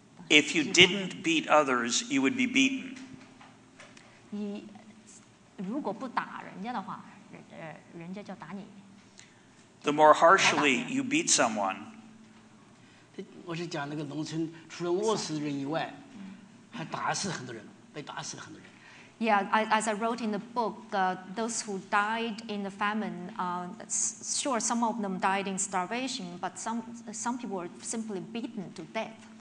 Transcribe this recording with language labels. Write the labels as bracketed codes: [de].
[en] If you didn't beat others, you would be beaten. [zh] 如果不打人家的话，人家就打你。 [en] The more harshly you beat someone, [zh] 我是讲那个农村除了饿死人以外，还打死很多人，被打死很多人。 [en] Yeah, as I wrote in the book, those who died in the famine, sure, some of them died in starvation, but some people were simply beaten to death.